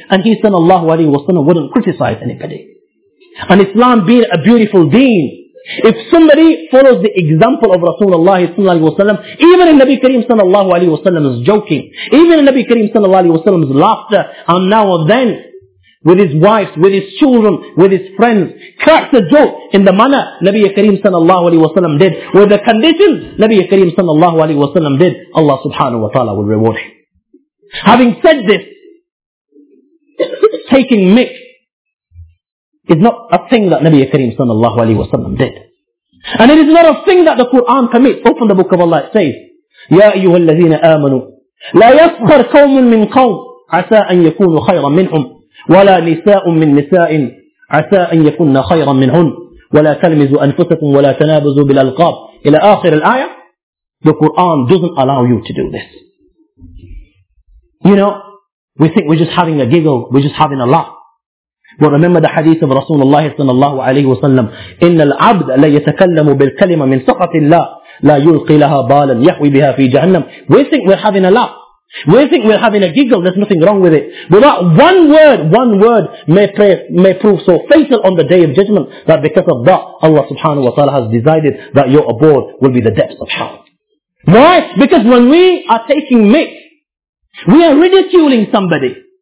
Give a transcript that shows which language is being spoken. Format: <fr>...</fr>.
<en>And he sallallahu alayhi wa sallam wouldn't criticize anybody. And Islam being a beautiful deen, if somebody follows the example of Rasulullah sallallahu alayhi wa sallam, even in Nabi Kareem sallallahu alayhi wa sallam is joking, even in Nabi Kareem sallallahu alayhi wa sallam's laughter, and now and then, with his wife, with his children, with his friends, cracks a joke in the manner Nabi Kareem sallallahu alayhi wa sallam did, with the conditions Nabi Kareem sallallahu alayhi wa sallam did, Allah subhanahu wa ta'ala will reward him. Having said this, taking mick is not a thing that Nabi Kareem sallallahu alayhi wa sallam did. And it is not a thing that the Quran commits. Open the book of Allah, it says,</en> <ar>يَا أَيُّهَا الَّذِينَ آمَنُوا لَا يَسْخَرْ قَوْمٌ مِّنْ قَوْمٍ عَسَىٰ أَن يَكُونُوا خَيْرًا مِّنْهُمْ وَلَا نِسَاءٌ مِّنْ نِسَاءٍ عَسَىٰ أَن يَكُنَّ خَيْرًا مِّنْهُمْ وَلَا تَلْمِزُوا أَنفُسَكُمْ وَلَا تَنَابَزُوا بِالْأَلْقَابِ إِلَىٰ آخِرِ الْآيَةِ.</ar> <en>The Quran doesn't allow you to do this. You know, we think we're just having a giggle, we're just having a laugh. But remember the hadith of Rasulullah sallallahu alayhi wa sallam,</en> <ar>إِنَّ الْعَبْدَ لَيَتَكَلَّمُ بِالْكَلِمَ مِنْ سَخَطِ اللَّهِ لَا يُلْقِي لَهَا بَالًا يَحْوِي بِهَا فِي جَهَنَّمْ.</ar> <en>We think we're having a laugh. We think we're having a giggle, there's nothing wrong with it. But that one word may prove so fatal on the day of judgment, that because of that, Allah subhanahu wa ta'ala has decided that your abode will be the depths of hell. Why? Because when we are taking mick, we are ridiculing somebody.</en>